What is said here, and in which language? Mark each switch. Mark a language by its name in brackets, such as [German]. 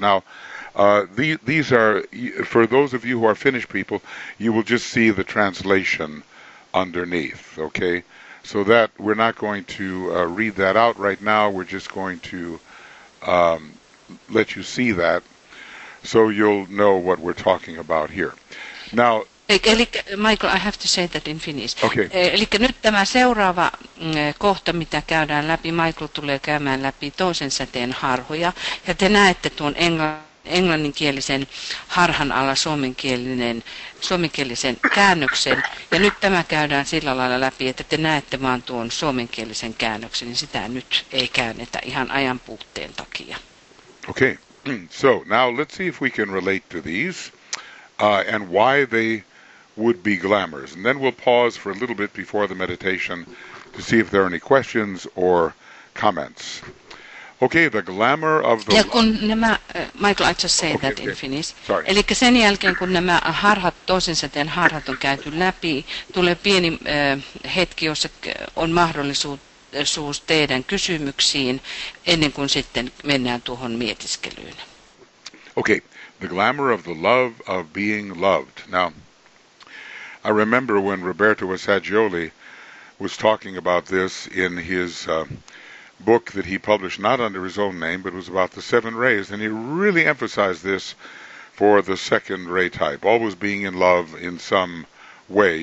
[English] Now, these are, for those of you who are Finnish people, you will just see the translation underneath, okay? So that, we're not going to read that out right now, we're just going to let you see that. So you'll know what we're talking about here. Now, Michael, I have to say that in Finnish. Okay. [Finnish] Eli nyt tämä seuraava kohta, mitä käydään läpi, Michael tulee käymään läpi toisen säteen harhoja. Ja te näette tuon englanninkielisen harhan alla suomenkielisen käännöksen. Ja nyt tämä käydään sillä lailla läpi, että te näette vaan tuon suomenkielisen käännöksen. Niin sitä nyt ei käännetä ihan ajan puutteen takia. [English] Okay. So, now let's see if we can relate to these and why they would be glamours. And then we'll pause for a little bit before the meditation to see if there are any questions or comments. Okay, the glamour of the... [Finnish] Ja kun nämä, [English] Michael, I just say okay, that in okay. Finnish. Sorry. [Finnish] Eli sen jälkeen, kun nämä harhat, toisen säteen harhat on käyty läpi, tulee pieni hetki, jossa on mahdollisuus teidän kysymyksiin ennen kuin sitten mennään tuohon mietiskelyyn. [English] Okay, the glamour of the love of being loved. Now, I remember when Roberto Assagioli was talking about this in his book that he published not under his own name, but it was about the seven rays, and he really emphasized this for the second ray type, always being in love in some way.